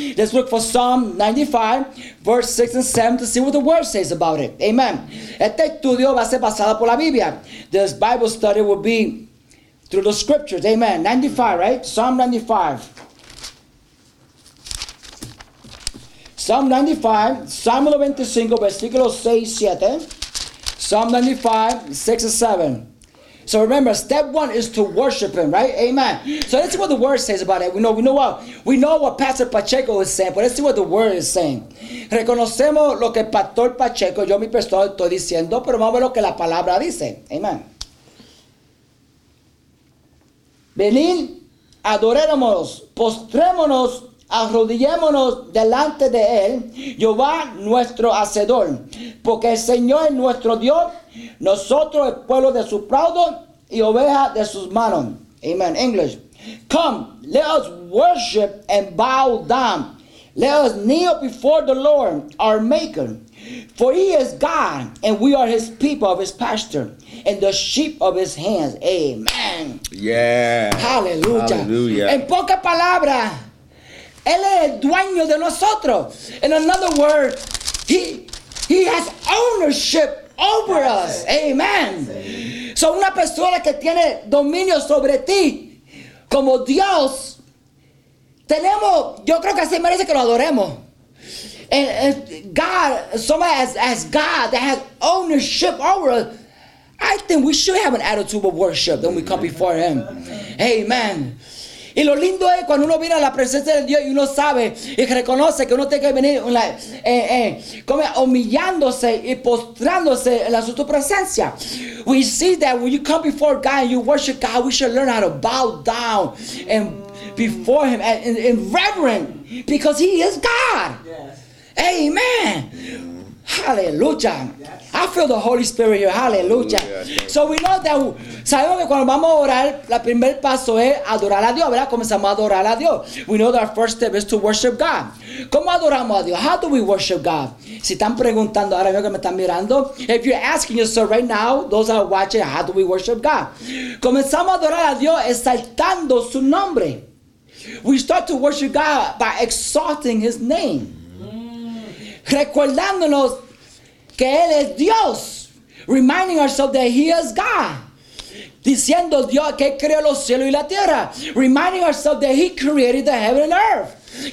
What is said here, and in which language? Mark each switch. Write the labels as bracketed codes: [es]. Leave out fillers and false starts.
[en] Let's look for Psalm 95, verse 6 and 7 to see what the Word says about it. Amen. [es] Este estudio va a ser basado por la Biblia. [en] This Bible study will be through the Scriptures. Amen. 95, right? Psalm 95. Psalm 95, Psalm 95, versículo 6, 7. Psalm 95, 6 and 7. So remember, step one is to worship Him, right? Amen. So let's see what the Word says about it. We know what Pastor Pacheco is saying, but let's see what the Word is saying. [es] Reconocemos lo que Pastor Pacheco, yo mi persona, estoy diciendo, pero vamos a ver lo que la palabra dice. Amen. Venid, adorémonos, postrémonos, arrodillémonos delante de Él, Jehová nuestro Hacedor, porque el Señor es nuestro Dios, nosotros el pueblo de su prado y oveja de sus manos. [en] Amen. English. Come, let us worship and bow down. Let us kneel before the Lord, our Maker. For He is God, and we are His people of His pasture, and the sheep of His hands. Amen. Yeah. Hallelujah. Hallelujah. [es] En poca palabra, Él es el dueño de nosotros. [en] In another word, he has ownership over us. [es] Amen. So una persona que tiene dominio sobre ti, como Dios, tenemos, yo creo que así merece que lo adoremos. [en] And God, somebody as God that has ownership over us, I think we should have an attitude of worship when we come before Him. Amen. [es] Y lo lindo es cuando uno viene a la presencia de Dios y uno sabe y reconoce que uno tiene que venir como humillándose y postrándose en la su presencia. [en] We see that when you come before God and you worship God, we should learn how to bow down and before Him in reverence because He is God. Yes. Amen. Hallelujah. Yes. I feel the Holy Spirit here. Hallelujah. So we know that. [es] Sabemos que cuando vamos a orar, el primer paso es adorar a Dios. ¿Verdad? Comenzamos a adorar a Dios. [en] We know that our first step is to worship God. [es] ¿Cómo adoramos a Dios? [en] How do we worship God? [es] Si están preguntando ahora mismo que me están mirando, [en] if you're asking yourself right now, those that are watching, how do we worship God? [es] Comenzamos a adorar a Dios exaltando su nombre. [en] We start to worship God by exalting His name. [es] Recordándonos que Él es Dios. [en] Reminding ourselves that He is God. [es] Diciendo Dios que creó los cielos y la tierra. [en] Reminding ourselves that He created the heaven and earth.